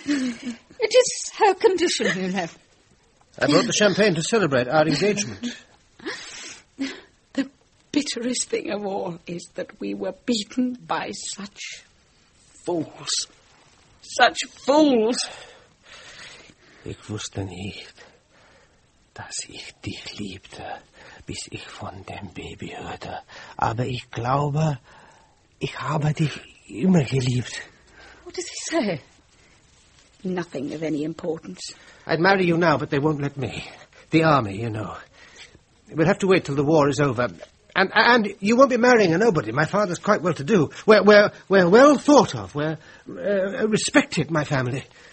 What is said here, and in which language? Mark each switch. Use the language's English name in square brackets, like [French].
[English] It is her condition, you know. I brought the champagne to celebrate our engagement. The bitterest thing of all is that we were beaten by such fools. Such fools. [German] Ich wusste nicht, dass ich dich liebte, bis ich von dem Baby hörte. Aber ich glaube, ich habe dich immer geliebt. [English] What does he say? Nothing of any importance. I'd marry you now, but they won't let me. The army, you know. We'll have to wait till the war is over. And you won't be marrying a nobody. My father's quite well-to-do. We're well thought of. We're respected, my family.